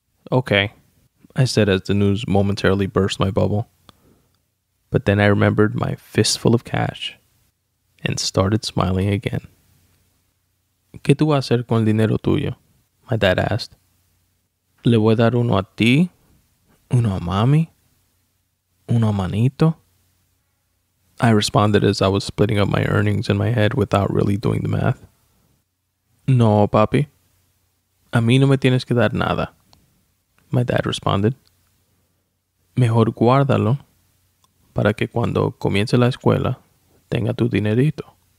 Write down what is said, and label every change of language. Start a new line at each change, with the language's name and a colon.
English: Okay, I said as the news momentarily burst my bubble. But then I remembered my fistful of cash and started smiling again.
Spanish: ¿Qué tú vas a hacer con el dinero tuyo?
English: My dad asked.
Spanish: Le voy a dar uno a ti, uno a mami, uno a manito.
English: I responded as I was splitting up my earnings in my head without really doing the math.
Spanish: No, papi. A mí no me tienes que dar nada.
English: My dad responded.
Spanish: Mejor guárdalo para que cuando comience la escuela tenga tu dinerito.